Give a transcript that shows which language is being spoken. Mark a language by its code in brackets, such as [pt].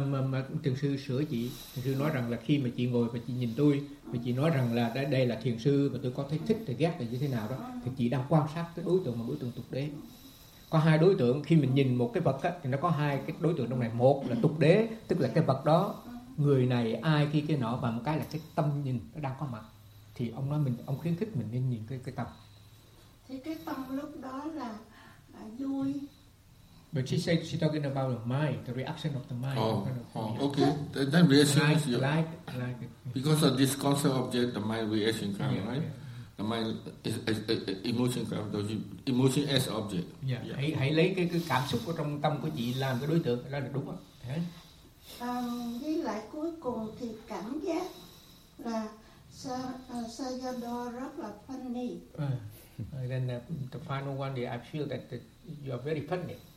[vi] Mà thiền sư sửa chị, thiền sư nói rằng là khi mà chị ngồi và chị nhìn tôi, và chị nói rằng là đây là thiền sư và tôi có thấy thích thì ghét là như thế nào đó, thì chị đang quan sát cái đối tượng mà đối tượng tục đế. Có hai đối tượng khi mình nhìn một cái vật á, thì nó có hai cái đối tượng trong này. Một là tục đế, tức là cái vật đó. Người này ai khi cái nọ, và một cái là cái tâm nhìn nó đang có mặt, thì ông nói mình, ông khuyến khích mình nên nhìn cái tâm. Thì cái tâm lúc đó là vui, [en] But she said she's talking about the mind, the reaction of the mind. Oh, kind of okay. Then reaction like, is your... Like, because of this causal object, the mind reaction comes, yeah, right? Yeah. The mind is emotion comes, emotion as object. Yeah, yeah. [vi] Hãy lấy cái cảm xúc của trong tâm của chị làm cái đối tượng, đó là đúng không? [en] Yeah. [vi] Với lại cuối cùng thì cảm giác là Sayado rất là funny. [en] And then the final one, I feel that you are very funny.